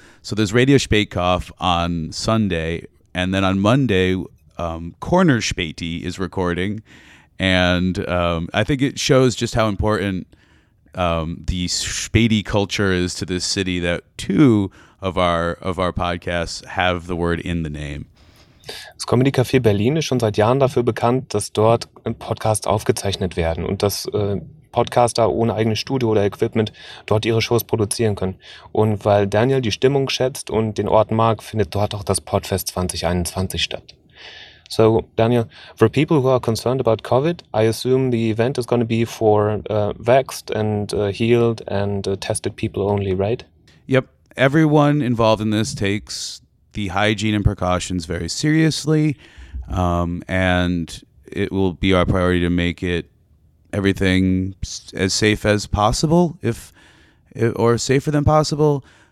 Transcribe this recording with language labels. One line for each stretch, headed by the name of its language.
English: So there's Radio Spätkoff on Sunday. And then on Monday, Corner Späti is recording. And I think it shows just how important the Späti culture is to this city that two of our podcasts have the word in the name.
German: Das Comedy Café Berlin ist schon seit Jahren dafür bekannt, dass dort Podcasts aufgezeichnet werden und dass Podcaster ohne eigenes Studio oder Equipment dort ihre Shows produzieren können. Und weil Daniel die Stimmung schätzt und den Ort mag, findet dort auch das Podfest 2021 statt.
English: So, Daniel, for people who are concerned about COVID, I assume the event is going to be for vaxxed and healed and tested people only, right? Yep. Everyone involved in this takes the hygiene and precautions very seriously, and it will be our priority to make it everything as safe as possible, or safer than possible.